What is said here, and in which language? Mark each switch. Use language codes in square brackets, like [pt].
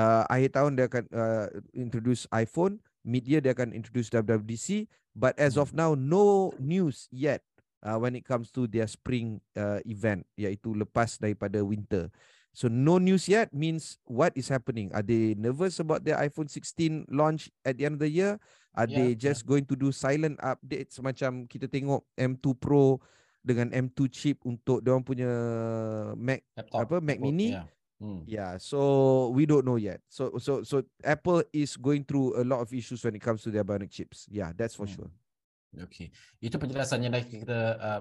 [ms] Akhir tahun dia akan introduce iPhone. Mid-year dia akan introduce WWDC. [en] But as of now, no news yet when it comes to their spring event, [ms] iaitu lepas daripada winter. [en] So no news yet means what is happening? Are they nervous about their iPhone 16 launch at the end of the year? Are they just going to do silent updates [ms] macam kita tengok M2 Pro dengan M2 chip untuk dia orang punya Mac Mini? [en] Yeah, so we don't know yet. So Apple is going through a lot of issues when it comes to their bionic chips. Yeah, that's for sure. [ms] Okay, itu penjelasannya dari kita.